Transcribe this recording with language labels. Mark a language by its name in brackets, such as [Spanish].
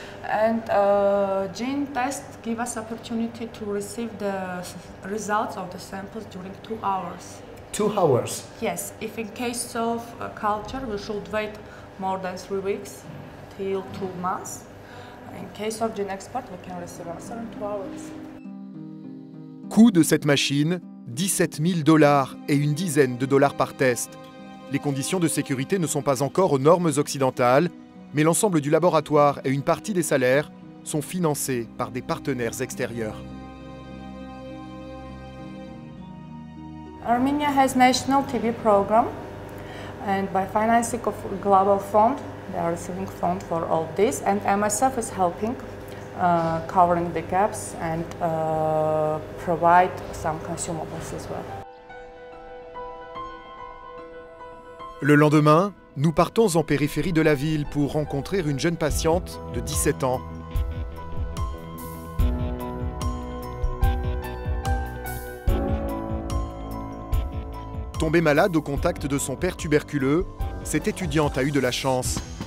[English] And gene test give us opportunity to receive the results of the samples during 2 hours. 2 hours? Yes. If in case of a culture, we should wait more than 3 weeks till 2 months. In case of gene expert, we can receive answer in 2 hours. [French] Coût de cette machine, $17,000 et une dizaine de dollars par test. Les conditions de sécurité ne sont pas encore aux normes occidentales, mais l'ensemble du laboratoire et une partie des salaires sont financés par des partenaires extérieurs. [English] Armenia has national TB program, and by financing of global fund, they are receiving fund for all this, and MSF is helping, covering the gaps and provide some consumables as well. [French] Le lendemain, nous partons en périphérie de la ville pour rencontrer une jeune patiente de 17 ans. Tombée malade au contact de son père tuberculeux, cette étudiante a eu de la chance.